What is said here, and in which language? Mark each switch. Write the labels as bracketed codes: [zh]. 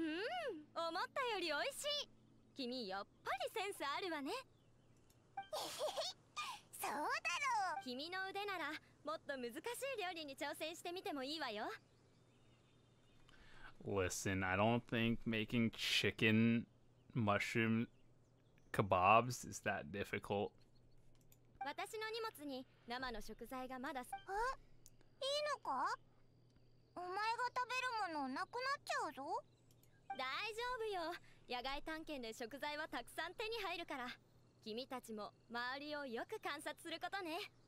[ja] うん、思ったより美味しい。君やっぱりセンスあるわね。そうだろう。君の腕なら。もっと難しい料理に挑戦してみてもいいわよ。 [en] Listen, I don't think making chicken mushroom kebabs is that difficult. [ja] 私の荷物に生の食材がまだす。え？いいのか？お前が食べるものなくなっちゃうぞ。大丈夫よ。野外探検で食材はたくさん手に入るから。君たちも周りをよく観察することね。